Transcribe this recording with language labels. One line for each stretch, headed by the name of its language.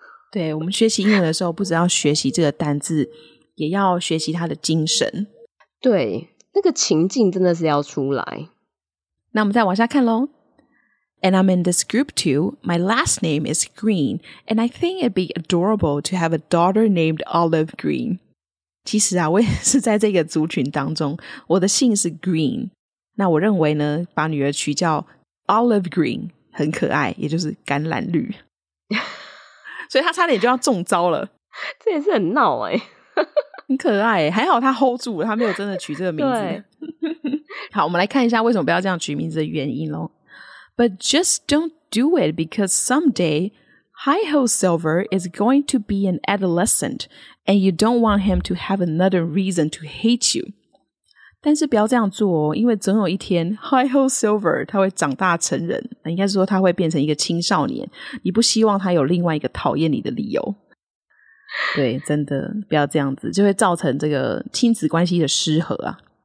Chinese: 对，我们学习英文的时候不只要学习这个单字，也要学习它的精神。对，那个情境真的是要出来。那我们再往下看咯。
English: And I'm in this group too. My last name is Green, and I think it'd be adorable to have a daughter named Olive Green.
Chinese: 其实啊，我也是在这个族群当中，我的姓是 Green。那我认为呢，把女儿取叫 Olive Green 很可爱，也就是橄榄绿。所以她差点就要中招了。这也是很闹耶。很可爱耶，还好她 hold 住，她没有真的取这个名字。好，我们来看一下为什么不要这样取名字的原因咯。
English: But just don't do it because someday Hi-Ho Silver is going to be an adolescent and you don't want him to have another reason to hate you.
Chinese: 但是不要这样做哦，因为总有一天 Hi-Ho Silver 他会长大成人，应该是说他会变成一个青少年，你不希望他有另外一个讨厌你的理由。对，真的不要这样子，就会造成这个亲子关系的失和啊。